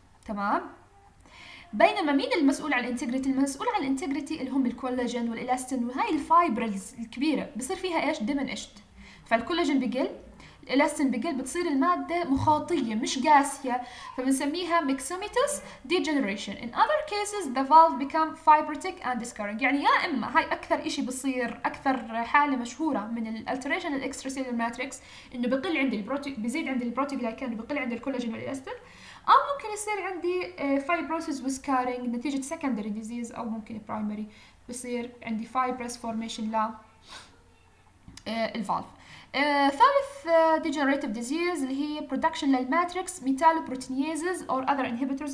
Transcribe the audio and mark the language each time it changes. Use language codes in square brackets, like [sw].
[ar] تمام، بينما مين المسؤول عن الانتجريتي؟ المسؤول عن الانتجريتي اللي هم الكولاجين والإلاستين وهاي الفايبرز الكبيرة، بصير فيها إيش؟ دمن إشت. فالكولاجين بيقل، الإلاستين بيقل، بتصير المادة مخاطية مش قاسية، فبنسميها ميكسوميتوس ديجنريشن. [en] In other cases the valve become fibrotic and discurring. [ar] يعني يا إما هاي أكثر إشي بصير، أكثر حالة مشهورة من الالتريشن الإكستراسيلر ماتريكس، إنه بقل عند بيزيد عند البروتوغلايكان وبقل عند الكولاجين والإلاستين، أو ممكن يصير عندي [en] fibrosis with scarring [ar] نتيجة secondary disease، أو ممكن primary بصير عندي fibrous formation لا الفالف. ثالث [en] degenerative disease [ar] اللي هي [en] production للmatrix metalloproteinases or other inhibitors.